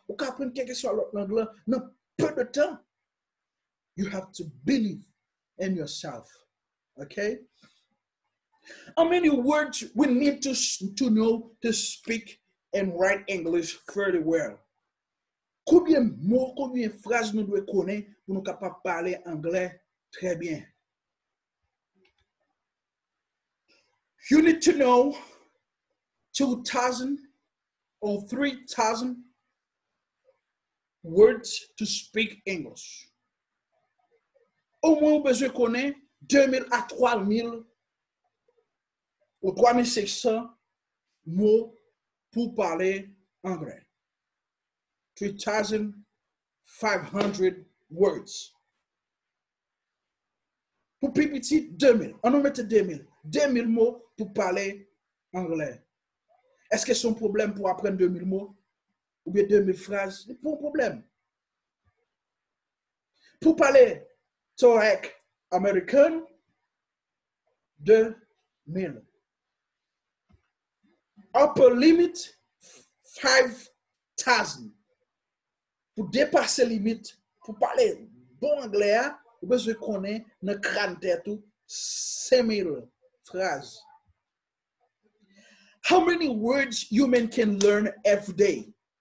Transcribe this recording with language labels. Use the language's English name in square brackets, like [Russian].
[English] You can [French] apprendre quelque chose en anglais dans peu de temps. [English] You have to believe in yourself. Okay? How many words we need to know to speak and write English fairly well? [French] Combien mots, combien phrases nous devons connaître pour nous capables parler anglais très bien? [English] You need to know 2,000 or 3,000 words to speak English. [French] Au moins, vous devez connaître 2,000 à 3,000 ou 3,600 mots pour parler anglais. [English] 3,500 words. [French] Pour PPT, 2,000. On en met 2,000. 2,000 mots pour parler anglais. Est-ce que c'est un problème pour apprendre 2,000 mots? Ou bien 2,000 phrases? C'est pas un problème. Pour parler TOEIC américain, 2,000. [English] Upper limit, 5,000. [French] Pour dépasser limite, pour parler bon anglais, vous pouvez connaître dans le crâne tête 5,000 phrases. [English] How many words human can learn every day?